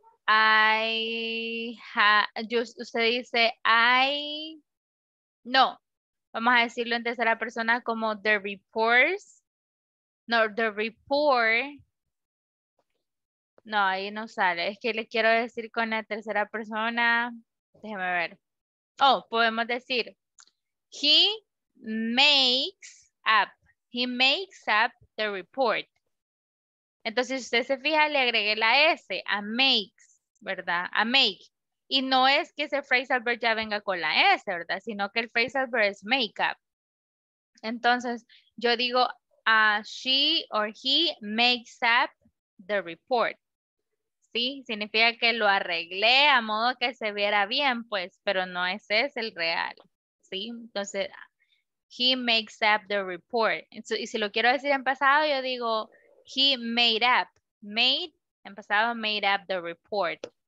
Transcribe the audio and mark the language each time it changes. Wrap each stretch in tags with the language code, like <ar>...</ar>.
<es>vamos a decirlo en tercera persona como podemos decir</es> <en>he makes up the report.</en> <es>Entonces, si usted se fija, le agregué la S a makes, ¿verdad? A make. Y no es que ese phrasal verb ya venga con la S, ¿verdad? Sino que el phrasal verb es make up. Entonces, yo digo,</es> <en>she or he makes up the report.</en> <es>¿Sí? Significa que lo arreglé a modo que se viera bien, pues, pero no ese es el real. ¿Sí? Entonces,</es> <en>he makes up the report.</en> <es>Y si lo quiero decir en pasado, yo digo,</es> <en>he made up.</en> <es>Made, en pasado,</es> <en>made up the report.</en>